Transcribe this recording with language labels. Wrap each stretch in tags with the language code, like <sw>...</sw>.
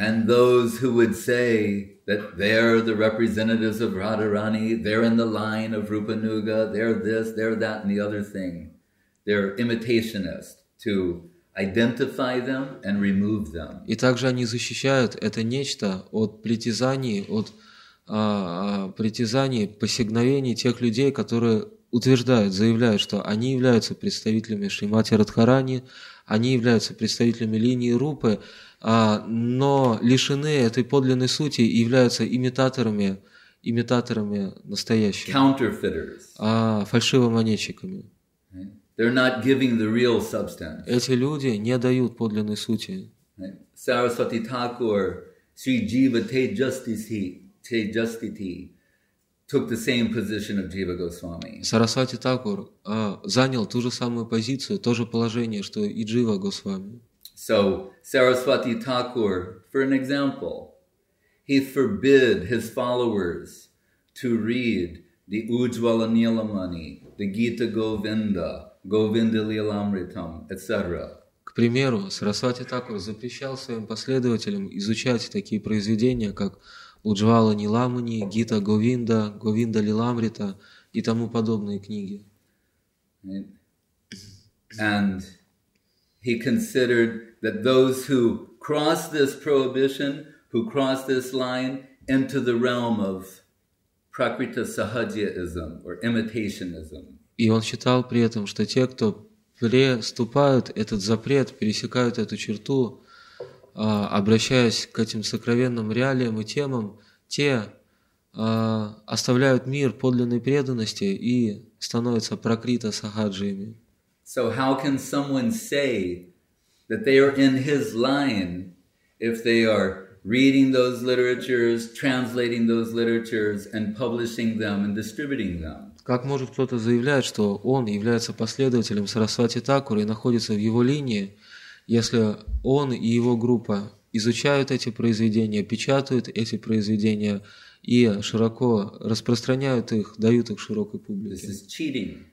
<en>And those who would say that they're the representatives of Radharani, they're in the line of Rupa Nuga, they're this, they're that, and the other thing. They're imitationists to identify them and remove them.</en> <ru>И также они защищают это нечто от притязаний, от притязаний, посягновений тех людей, которые утверждают, заявляют, что они являются представителями Шримати Радхарани, они являются представителями линии Рупы, но лишены этой подлинной сути и являются имитаторами, имитаторами настоящих,</ru> <en>counterfeiters,</en> <ru>фальшивомонетчиками.</ru> <en>They're not giving the real substance.</en> <ru>Эти люди не дают подлинной сути.</ru> <en>Сарасвати Такур, Шри Джива Тейджастити, took the same position of Jiva Goswami.</en> <ru>Сарасвати Такур занял ту же самую позицию, то же положение, что и Джива Госвами.</ru> <en>So, Сарасвати Такур, for an example, he forbid his followers to read the Ujjvala Nilamani, the Gita Govinda, Govinda Lilamritam, etc.</en> <ru>К примеру, Сарасвати Такур запрещал своим последователям изучать такие произведения, как Уджвала Ниламани, Гита Говинда, Говинда Лиламрита и тому подобные книги.</ru> <en>And he considered that those who cross this prohibition, who cross this line into the realm of Prakriti Sahajyaism or imitationism.</en> <ru>И он считал при этом, что те, кто преступают этот запрет, пересекают эту черту, обращаясь к этим сокровенным реалиям и темам, те оставляют мир подлинной преданности и становятся пракрита сахаджиями.</ru> <en>So how can someone say that they are in his line if they are reading those literatures, translating those literatures and publishing them and distributing them?</en> <ru>Как может кто-то заявлять, что он является последователем Сарасвати Такура и находится в его линии, если он и его группа изучают эти произведения, печатают эти произведения и широко распространяют их, дают их широкой публике?</ru>